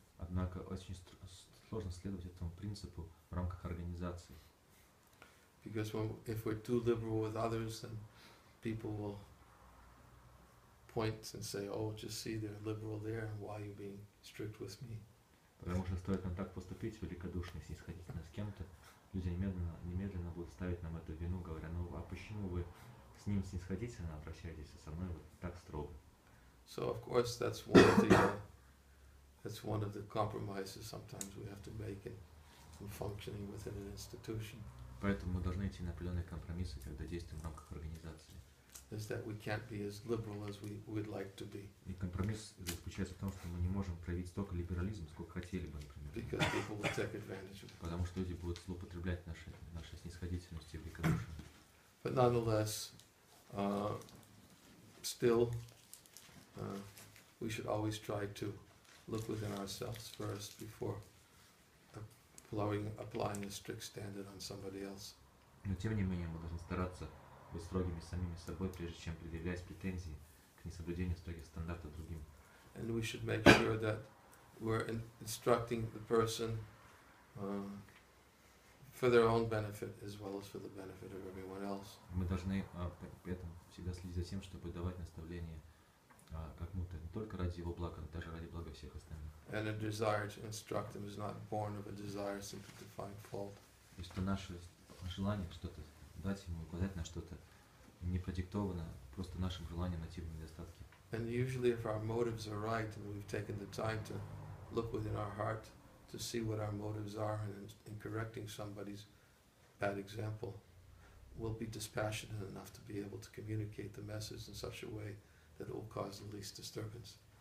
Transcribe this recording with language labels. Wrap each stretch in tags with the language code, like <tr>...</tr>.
<ru>Однако очень сложно следовать этому принципу в рамках организации.</ru> <en>Because when, if we're too liberal with others, then people will point and say, oh, just see, they're liberal there, why are you being strict with me?</en> <ru>Потому что стоит нам так поступить, великодушно и снисходительно с кем-то, люди немедленно будут ставить нам эту вину, говоря, ну а почему вы с ним снисходительно обращаетесь, а со мной вот так строго?</ru> <en>So, of course, that's one of the, that's one of the compromises sometimes we have to make in functioning within an institution.</en> <ru>Поэтому мы должны идти на определенные компромиссы, когда действуем в рамках организации.</ru> <en>Is that we can't be as liberal as we would like to be.</en> <ru>И компромисс заключается в том, что мы не можем проявить столько либерализма, сколько хотели бы, например.</ru> <en>Because people will take advantage of it.</en> <ru>Потому что люди будут злоупотреблять нашей снисходительностью и великодушием.</ru> <en>But nonetheless, still, we should always try to look within ourselves first before applying a strict standard on somebody else.</en> <ru>Но тем не менее мы должны стараться быть строгими самими собой, прежде чем предъявлять претензии к несоблюдению строгих стандартов другим.</ru> <en>And we should make sure that we're instructing the person for their own benefit as well as for the benefit of everyone else.</en> <ru>Мы должны при этом всегда следить за тем, чтобы давать наставления как будто не только ради его блага, но даже ради блага всех остальных.</ru> <en>And a desire to instruct them is not born of a desire simply to find fault.</en> <ru>И что наше желание что-то дать ему, указать на что-то, не продиктовано просто нашим желанием найти в недостатке.</ru> <en>And usually if our motives are right and we've taken the time to look within our heart to see what our motives are in correcting somebody's bad example, we'll be dispassionate enough to be able to communicate the message in such a way that it will cause the least disturbance.</en>